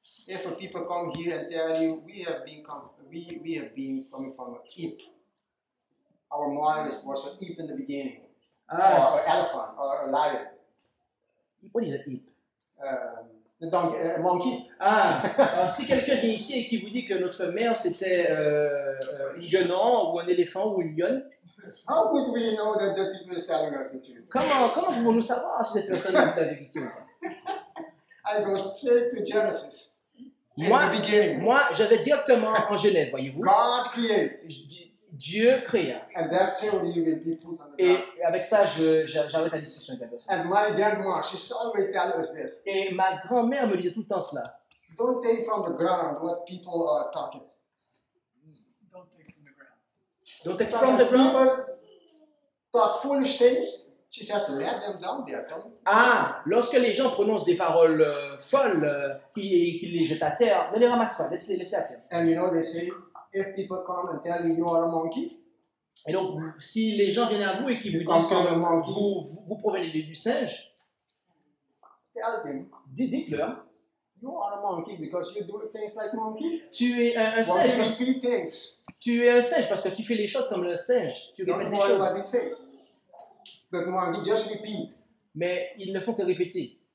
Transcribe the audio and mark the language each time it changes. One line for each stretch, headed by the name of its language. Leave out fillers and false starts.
English: if people come here and tell you we have been coming from Egypt, our mother was born from Egypt in the beginning, or an elephant or a lion. What is an Egypt? The donkey, monkey.
French: Ah, alors, si quelqu'un vient ici et qui vous dit que notre mère c'était un lion ou un éléphant ou une lionne.
English: How would we know that the people are telling us the truth?
French: Comment pouvons-nous savoir si cette personne est la vérité?
English: I go straight to Genesis.
French: Moi, je vais directement en Genèse, voyez-vous.
English: God created.
French: Dieu créa.
English: And that theory will be put on the
French: et avec ça, j'arrête la discussion avec la personne.
English: And my grandma, she's always telling us this.
French: Et ma grand-mère me disait tout le temps cela.
English: Don't take from the ground what people are talking. Don't take from the ground. Don't take from the ground. But foolish things. She says, let them down there.
French: Ah, lorsque les gens prononcent des paroles folles, qui les jettent à terre, ne les ramasse pas, laisse-les à terre.
English: And you know they say, if people come and tell you you are a monkey.
French: Et donc, si les gens viennent à vous et qu'ils vous disent que vous provenez du singe,
English: tell them,
French: dites-leur,
English: you are a monkey because you do things like monkey.
French: Tu es un singe.
English: You speak things.
French: Tu es un singe parce que tu fais les choses comme le singe. Tu répètes les choses.
English: What they say. But monkey just repeat.
French: Mais ils ne font que répéter.